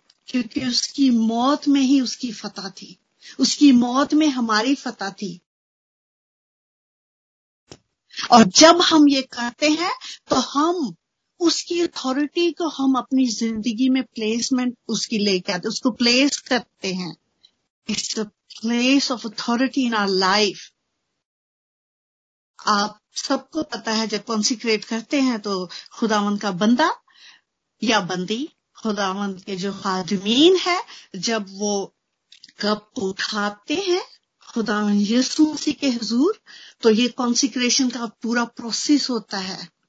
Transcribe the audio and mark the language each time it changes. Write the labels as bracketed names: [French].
[Urdu] کیونکہ اس کی موت میں ہی اس کی فتح تھی, اس کی موت میں ہماری فتح تھی. اور جب ہم یہ کرتے ہیں تو ہم اس کی اتھارٹی کو ہم اپنی زندگی میں پلیسمنٹ اس کی لے کے آتے, اس کو پلیس کرتے ہیں. [English] It's the place of authority in our life. [Urdu] آپ سب کو پتا ہے جب کنسیکریٹ کرتے ہیں تو خداوند کا بندہ یا بندی, خداوند کے جو خادمین ہے, جب وہ کپ اٹھاتے ہیں خداوند یسوع مسیح کے حضور, تو یہ کنسیکریشن کا پورا پروسیس ہوتا ہے.